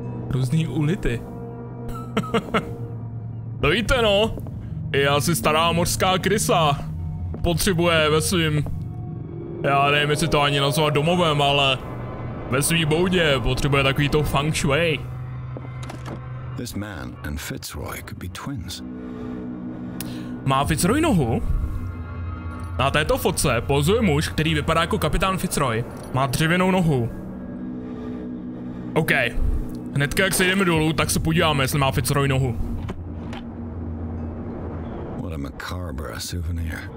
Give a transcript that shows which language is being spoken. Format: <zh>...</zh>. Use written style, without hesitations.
<cs>Různý ulity. To víte no, je asi stará mořská krysa. Potřebuje ve svým... Já nevím, jestli to ani nazvat domovem, ale ve svý boudě potřebuje takový to feng shui.</cs> <en>This man and Fitzroy could be twins.</en> <cs>Má Fitzroy nohu? Na této fotce pozuje muž, který vypadá jako kapitán Fitzroy. Má dřevěnou nohu. OK. Hnedka jak se jdeme dolů, tak se podíváme, jestli má Fitzroy nohu.</cs> <en>What a macabre souvenir.</en>